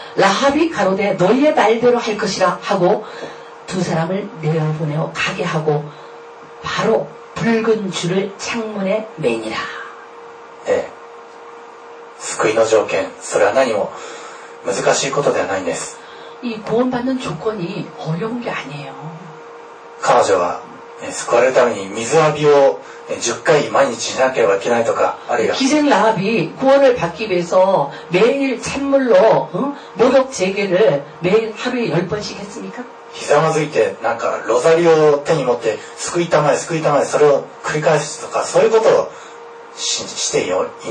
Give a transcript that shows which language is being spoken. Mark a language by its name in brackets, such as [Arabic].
[Korean] 라합이가로대너희의말대로할것이라하고두사람을내어보내어가게하고바로붉은줄을창문에매니라 [Japanese] 네救いの条件それは何も難しいことではないんです [Korean] 이구원받는조건이어려운게아니에요 [Japanese] 彼女は救われるために水浴びを10回毎日しなければいけないとか、あるいは [Korean] 기생라합이구원을받기위해서매일찬물로목욕재개를매일하루에10번씩했습니까 [Japanese] ひざまずいてなんかロザリオを手に持って救いたまえ救いたまえそれを繰り返すとかそういうことをしてい